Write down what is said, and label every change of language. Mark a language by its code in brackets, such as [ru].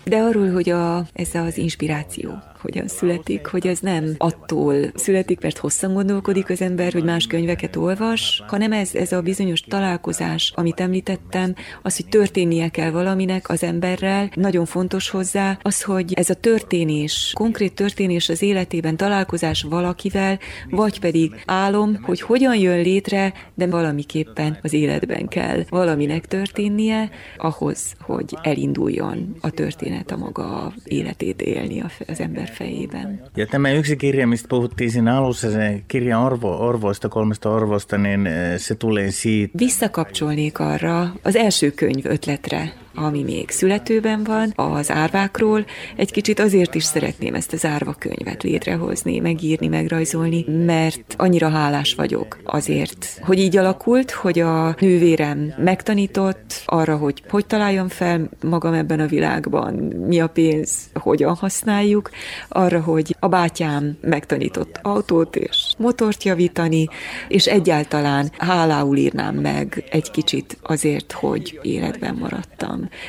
[hu] De arról, hogy ez az inspiráció hogyan születik, hogy ez nem attól születik, mert hosszan gondolkodik az ember, hogy más könyveket olvas, hanem ez a bizonyos találkozás, amit említettem, az, hogy történnie kell valaminek az emberrel, nagyon fontos hozzá, az, hogy ez a történés, konkrét történés az életében, találkozás valakivel, vagy pedig álom, hogy hogyan jön létre, de valamiképpen az életben kell valaminek történnie, ahhoz, hogy elinduljon a történet a maga életét élni az ember. [fi] Ja tämä yksi kirja, mistä puhuttiin siinä alussa, se kirja orvoista, kolmesta orvoista, niin se tulee siitä. [hu] Visszakapcsolnék arra az első könyv ötletre, ami még születőben van, az árvákról. Egy kicsit azért is szeretném ezt az árva könyvet létrehozni, megírni, megrajzolni, mert annyira hálás vagyok azért, hogy így alakult, hogy a nővérem megtanított arra, hogy találjam fel magam ebben a világban, mi a pénz, hogyan használjuk, arra, hogy a bátyám megtanított autót és motort javítani, és egyáltalán hálául írnám meg egy kicsit azért, hogy életben maradtam.